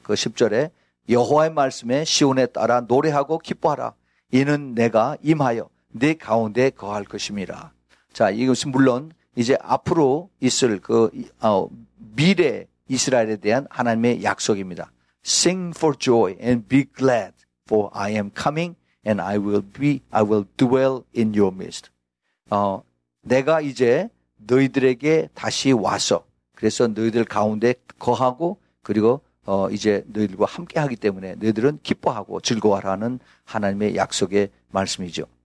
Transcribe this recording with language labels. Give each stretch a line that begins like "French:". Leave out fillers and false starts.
Korean: 그 10절에 여호와의 말씀에 시온에 따라 노래하고 기뻐하라. 이는 내가 임하여 내 가운데 거할 것임이라. 자, 이것이 물론 이제 앞으로 있을 그 미래 이스라엘에 대한 하나님의 약속입니다.
English: Sing for joy and be glad, for I am coming and I will dwell in your midst.
Korean: 내가 이제 너희들에게 다시 와서 그래서 너희들 가운데 거하고 그리고 이제 너희들과 함께하기 때문에 너희들은 기뻐하고 즐거워하라는 하나님의 약속의 말씀이죠.